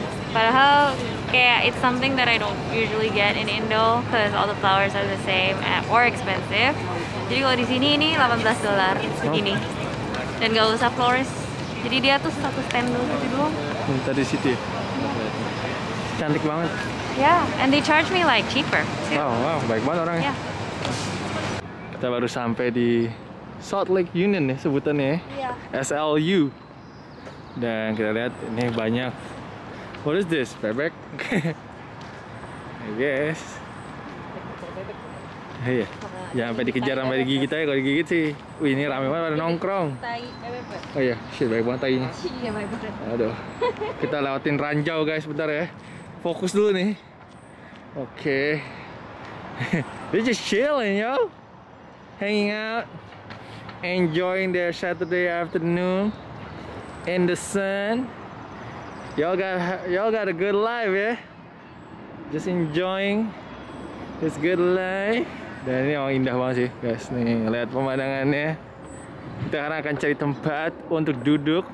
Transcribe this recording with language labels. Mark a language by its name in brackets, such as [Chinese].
[Indonesian] Padahal kayak [English] it's something that I don't usually get in Indo because all the flowers are the same or expensive. [Indonesian] Jadi kalau di sini ini $18 segini. Dan enggak usah florist. Jadi dia tuh satu stand dulu gitu doang. Minta di situ. Cantik banget. [English] Yeah, and they charge me like cheaper. [Indonesian] Wow, baik banget orangnya. [English] Yeah. [Indonesian] Kita baru sampai di Salt Lake Union nih sebutannya. [English] Yeah. [Indonesian] SLU. Dan kita lihat ini banyak. [English] What is this? [Indonesian] Bebek? [English] I guess. [Indonesian] Iya. [English] Yeah. [Indonesian] Jangan sampai dikejar sampai digigit aja, kalau digigit sih. Wih, ini rame banget pada nongkrong. Tai. Oh iya, shit, baik banget tainya. Iya, baik banget. Aduh. Kita lewatin ranjau guys, bentar ya. Fokus dulu nih. Oke. [English] They're just chilling, yo. Hanging out. Enjoying their Saturday afternoon. In the sun. Y'all got a good life, ya. Yeah? Just enjoying this good life. [Indonesian] Dan ini emang indah banget sih, guys. Nih, lihat pemandangannya. Kita sekarang akan cari tempat untuk duduk.